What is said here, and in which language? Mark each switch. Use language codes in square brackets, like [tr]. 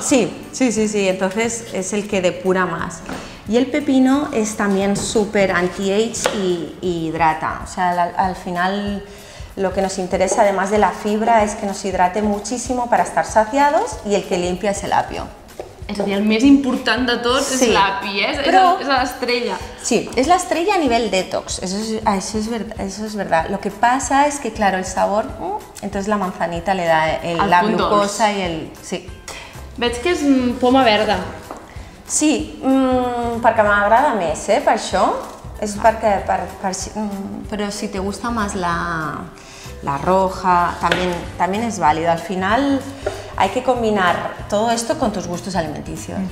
[es] Sí, sí, sí, sí. Entonces es el que depura más. Y el pepino es también súper anti-age y hidrata. O sea, al final lo que nos interesa, además de la fibra, es que nos hidrate muchísimo para estar saciados, y el que limpia es el apio. [ca] És a dir, el més important de tots és l'api, és l'estrella. Sí, és l'estrella a nivell detox, això és veritat. El que passa és que, clar, el sabor, [es] entonces la manzanita le da la glucosa [ca] i el... Sí. Veig que és poma verda. Sí, perquè m'agrada més, per això. És perquè... [es] Però si te gusta más la roja, también es válido. Al final hay que combinar todo esto con tus gustos alimenticios.